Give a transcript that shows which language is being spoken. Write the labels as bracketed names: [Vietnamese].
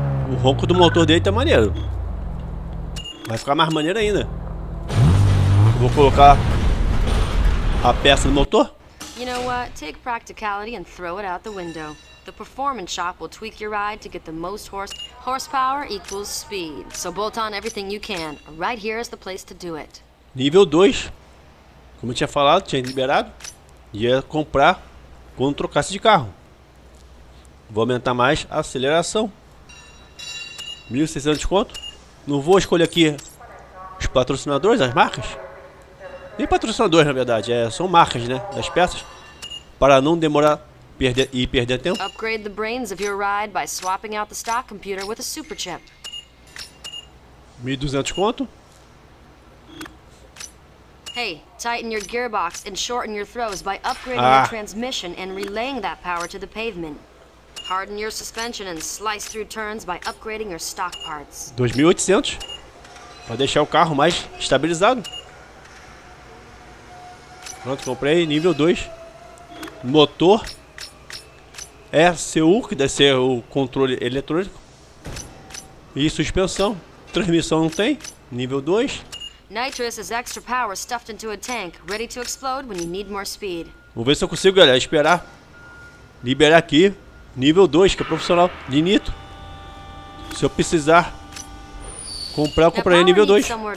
[Portuguese] O ronco do motor dele tá maneiro. Vai ficar mais maneiro ainda. Vou colocar a peça no motor. [English] You know what? Take practicality and throw it out the window. The performance shop will tweak your ride to get the most horsepower equals speed. So bolt on everything you can. Right here is the place to do it. [Portuguese] Nível 2. Como eu tinha falado, tinha liberado. Ia comprar quando trocasse de carro. Vou aumentar mais a aceleração. 1.600 conto. Não vou escolher aqui os patrocinadores, as marcas. Nem patrocinadores, na verdade. É, são marcas, né? Das peças. Para não demorar e perder tempo. [English] Upgrade the brains of your ride by swapping out the stock computer with a super chip. [Portuguese] 1.200 conto. [English] Hey, tighten your gearbox and shorten your throws by upgrading your transmission and relaying that power to the pavement. Harden your suspension and slice through turns by upgrading your stock parts. [Portuguese] 2.800 para deixar o carro mais estabilizado. Pronto, comprei nível 2. Motor ECU, que deve ser o controle eletrônico. E suspensão. Transmissão não tem. Nível 2. [English] Nitrous is extra power stuffed into a tank, ready to explode when you need more speed. [Portuguese] Vou ver se eu consigo, galera, esperar liberar aqui. Nível 2, que é profissional de nitro. Se eu precisar comprar, eu compraria nível 2.